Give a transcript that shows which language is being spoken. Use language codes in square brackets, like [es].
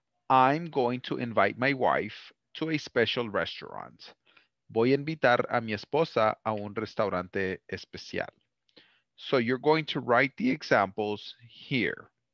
[en] I'm going to invite my wife to a special restaurant. [es] Voy a invitar a mi esposa a un restaurante especial. [en] So you're going to write the examples here.